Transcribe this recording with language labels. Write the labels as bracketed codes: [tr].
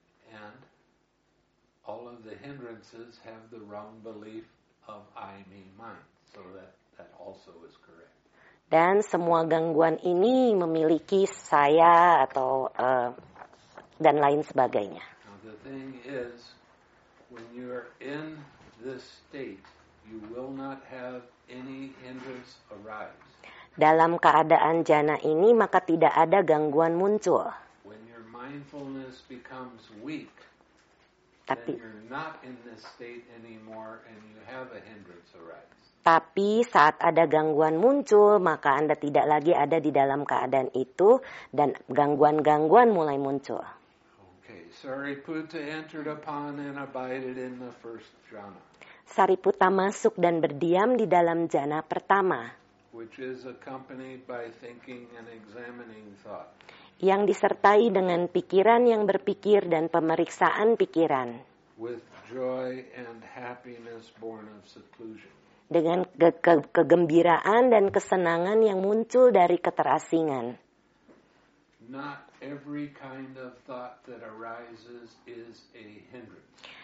[en] And all of the hindrances have the wrong belief of I, me, mine. So that also is correct. [id] Dan semua gangguan ini memiliki saya atau dan lain sebagainya. [en] Now the thing is, when you're in this state, you will not have any hindrance arise. [id] Dalam keadaan jhana ini, maka tidak ada gangguan muncul. [en] When your mindfulness becomes weak, [id] tapi, [en] then you're not in this state anymore and you have a hindrance arise. [id] Tapi saat ada gangguan muncul, maka Anda tidak lagi ada di dalam keadaan itu dan gangguan-gangguan mulai muncul. [en] Sariputta entered upon and abided in the first jhana. [id] Sariputta masuk dan berdiam di dalam jhana pertama. [en] Which is accompanied by thinking and examining thought. [id] Yang disertai dengan pikiran yang berpikir dan pemeriksaan pikiran. [en] With joy and happiness born of seclusion. [id] Dengan kegembiraan dan kesenangan yang muncul dari keterasingan. [en] Not every kind of thought that arises is a hindrance.